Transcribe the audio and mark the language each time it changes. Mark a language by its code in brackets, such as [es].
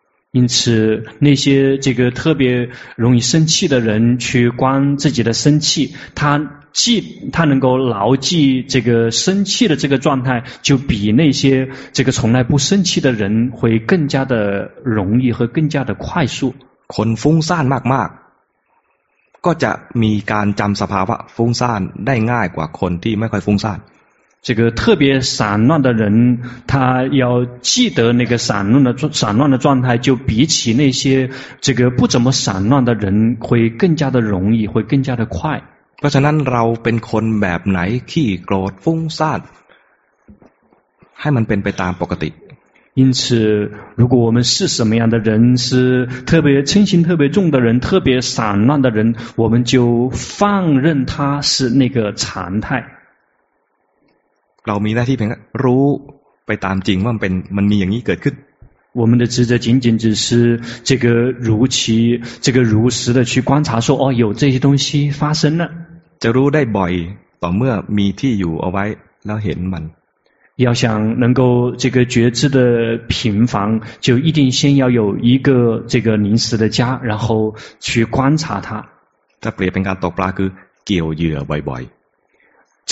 [zh] 因此那些这个特别容易生气的人去观自己的生气他能够牢记这个生气的这个状态就比那些这个从来不生气的人会更加的容易和更加的快速 [th] คนฟุ้งซ่านมากๆก็จะมีการจำสภาวะฟุ้งซ่านได้ง่ายกว่าคนที่ไม่ค่อยฟุ้งซ่าน [zh] 这个特别散乱的人他要记得那个散乱的状态就比起那些这个不怎么散乱的人会更加的容易会更加的快 [th] เพราะฉะนั้นเราเป็นคนแบบไหนขี้โกรธฟุ้งซ่านให้มันเป็นไปตามปกติ [zh] 因此如果我们是什么样的人是特别嗔心特别重的人特别散乱的人我们就放任他是那个常态 [th] เรามีหน้าที่เพียงรู้ไปตามจริงว่ามันมีอย่างนี้เกิดขึ้น [zh] 我们的职责仅仅只是这个如其这个如实的去观察说哦有这些东西发生了 [th] จะรู้ได้บ่อยต่อเมื่อมีที่อยู่เอาไว้แล้วเห็นมัน [zh] 要想能够这个觉知的频繁就一定先要有一个这个临时的家然后去观察它 [th] ถ้าเปรียบเป็นการตกปลาคือเกี่ยวเหยื่อบ่อยๆ